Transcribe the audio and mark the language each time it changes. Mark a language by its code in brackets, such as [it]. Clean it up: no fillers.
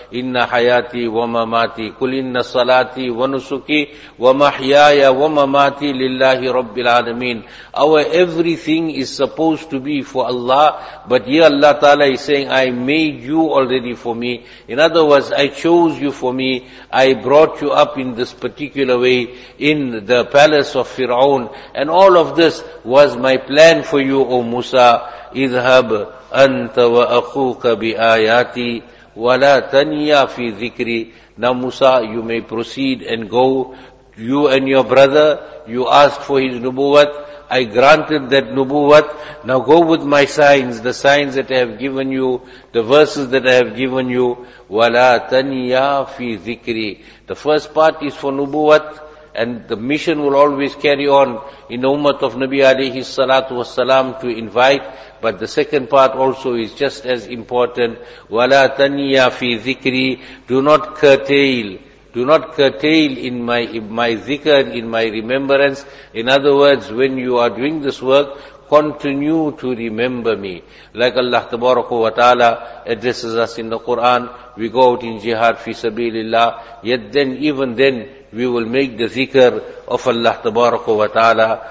[ar] إِنَّ حَيَاتِي وَمَمَاتِي قُلْ إِنَّ صَلَاتِي وَنُسُكِي وَمَحْيَايَ وَمَمَاتِي لِلَّهِ رَبِّ الْعَالَمِينَ [en] Our everything is supposed to be for Allah, but here Allah Ta'ala is saying, I made you already for me. In other words, I chose you for me. I brought you up in this particular way in the palace of Fir'aun. And all of this was my plan for you, O Musa. [ar] اذهب أنت وأخوك بآياتي ولا تنيا في ذكري [en] Now Musa, you may proceed and go. You and your brother, you asked for his nubuwat. I granted that nubuwat. Now go with my signs, the signs that I have given you, the verses that I have given you. [ar] ولا تنيا في ذكري [en] The first part is for nubuwat. And the mission will always carry on in the ummah of Nabi alayhi salatu wasalam to invite. But the second part also is just as important. [ar] وَلَا تَنِيَا فِي ذِكْرِي [en] Do not curtail. Do not curtail in my dhikr, in my remembrance. In other words, when you are doing this work, continue to remember me. Like Allah tabaraka wa ta'ala addresses us in the Quran, we go out in jihad fi sabilillah, yet then, even then, we will make the dhikr of Allah tabaraka wa ta'ala.